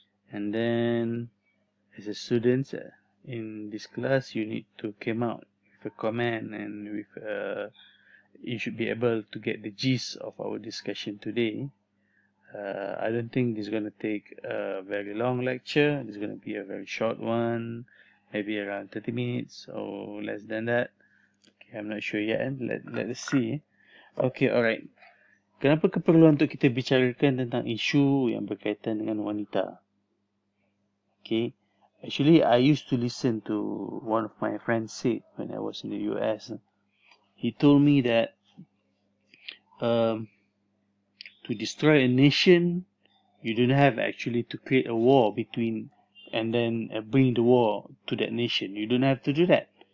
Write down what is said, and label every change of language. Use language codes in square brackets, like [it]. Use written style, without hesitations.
[en] And then, as a student in this class, you need to come out with a comment and with you should be able to get the gist of our discussion today. I don't think this is going to take a very long lecture. It's going to be a very short one, maybe around 30 minutes or less than that. Okay, I'm not sure yet. Let's see. Okay, all right. [ms] Kenapa keperluan untuk kita bicarakan tentang isu yang berkaitan dengan wanita? [en] Okay, actually I used to listen to one of my friends say when I was in the US. He told me that to destroy a nation, you don't have actually to create a war between and then bring the war to that nation. You don't have to do that.